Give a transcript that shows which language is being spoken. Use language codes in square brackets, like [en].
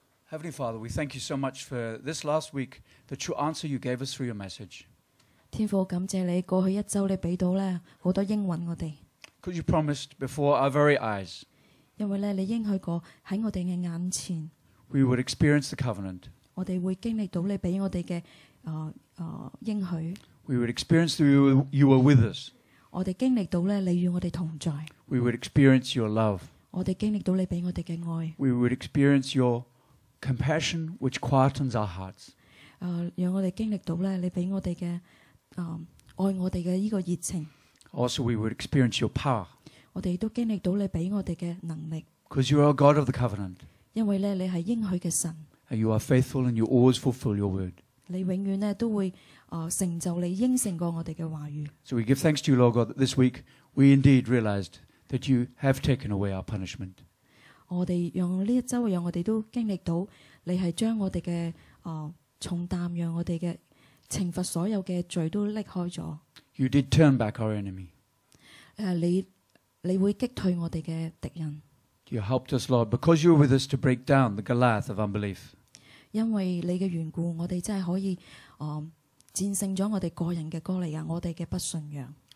[en] Heavenly Father, we thank you so much for this last week, the true answer you gave us through your message. [yue] 天父，感谢你过去一周你俾到咧好多应允我哋。 [en] Could you promise before our very eyes? [yue] 因为咧，你应许过喺我哋嘅眼前。 [en] We would experience the covenant. [yue] 我哋会经历到你俾我哋嘅应许。 [en] We would experience that you were with us. [yue] 我哋经历到咧，你与我哋同在。 [en] We would experience your love. [yue] 我哋经历到你俾我哋嘅爱。 [en] We would experience your compassion, which quietens our hearts. [yue] 让我哋经历到咧，你俾我哋嘅爱我哋嘅呢个热情。 [en] Also, we would experience your power. [yue] 我哋都经历到你俾我哋嘅能力。 [en] Because you are a God of the covenant. [yue] 因为咧，你系应许嘅神。 [en] And you are faithful, and you always fulfill your word. [yue] 你永远咧都会。成就你应承过我哋嘅话语。 [en] So we give thanks to you, Lord God, that this week we indeed realized that you have taken away our punishment. [yue] 我哋用呢一周，让我哋都经历到你系将我哋嘅重担，让我哋嘅惩罚所有嘅罪都拎开咗。 [en] You did turn back our enemy. [yue] 你会击退我哋嘅敌人。 [en] You helped us, Lord, because you were with us to break down the Goliath of unbelief. [yue] 因为你嘅缘故，我哋真系可以战胜咗我哋个人嘅哥利亚，我哋嘅不信仰。